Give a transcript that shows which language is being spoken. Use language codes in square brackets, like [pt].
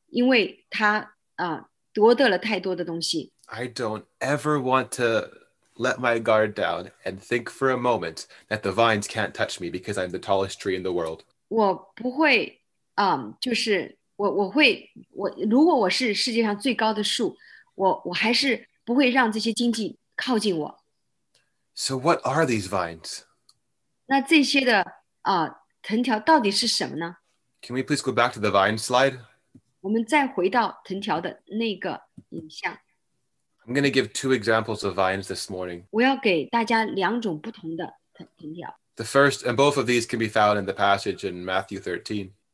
[zh] 而那一些的信徒不会说他不会跌倒因为他夺得了太多的东西。 [en] I don't ever want to let my guard down and think for a moment that the vines can't touch me because I'm the tallest tree in the world. [zh] 我不会,如果我是世界上最高的树,我还是不会让这些荆棘靠近我。 [en] So what are these vines? [zh] 那这些的藤条到底是什么呢? [en] Can we please go back to the vine slide? [zh] 我们再回到藤条的那个影像。 [en] I'm going to give two examples of vines this morning. [zh] 我要给大家两种不同的藤条。 [en] The first, and both of these can be found in the passage in Matthew 13.